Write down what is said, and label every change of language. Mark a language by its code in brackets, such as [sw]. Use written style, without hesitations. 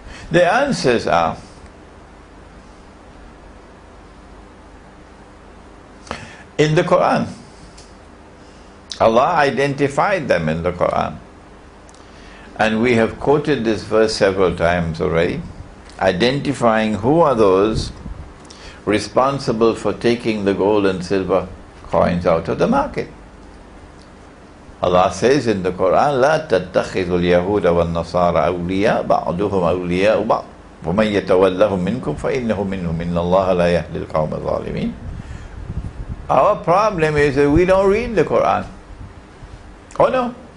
[en] The answers are, in the Quran, Allah identified them in the Quran. And we have quoted this verse several times already, identifying who are those responsible for taking the gold and silver coins out of the market. Allah says in the Quran, [ar] لَا تَتَّخِذُ الْيَهُودَ وَالنَّصَارَ أَوْلِيَاءَ بَعْضُهُمْ أَوْلِيَاءُ بَعْضٍ وَمَنْ يَتَوَلَّهُمْ مِنْكُمْ فَإِنَّهُ مِنْهُمْ إِنَّ اللَّهَ لَا يَهْدِي الْقَوْمَ الظَّالِمِينَ. [en] Our problem is that we don't read the Quran. Oh no.